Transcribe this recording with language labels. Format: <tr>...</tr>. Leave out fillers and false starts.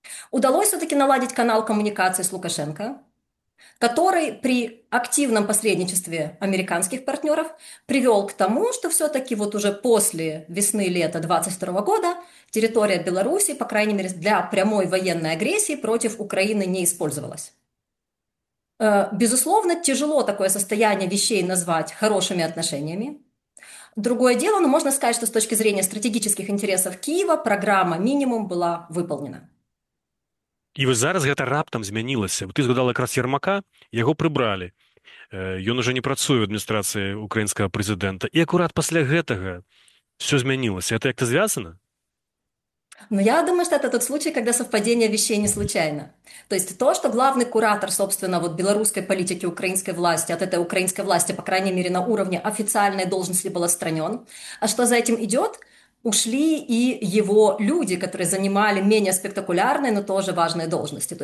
<ru>удалось все-таки наладить канал коммуникации с Лукашенко, который при активном посредничестве американских партнеров привел к тому, что все-таки вот уже после весны-лета 2022 года территория Беларуси, по крайней мере, для прямой военной агрессии против Украины не использовалась. Безусловно, тяжело такое состояние вещей назвать хорошими отношениями. Другое дело, но можно сказать, что с точки зрения стратегических интересов Киева программа минимум была выполнена.</ru> <be>І вось зараз гэта раптам змянілася. Ты згадала якраз Ермака, яго прыбралі. Ён ужо не працуе ў адміністрацыі украінскага прэзідэнта. І акурат пасля гэтага ўсё змянілася. Гэта як-то звязана?</be> <ru>Ну, я думаю, что это тот случай, когда совпадение вещей не случайно. То есть то, что главный куратор, собственно, вот белорусской политики украинской власти, от этой украинской власти, по крайней мере, на уровне официальной должности был отстранен, а что за этим идет – ушли и его люди, которые занимали менее спектакулярные, но тоже важные должности.</ru>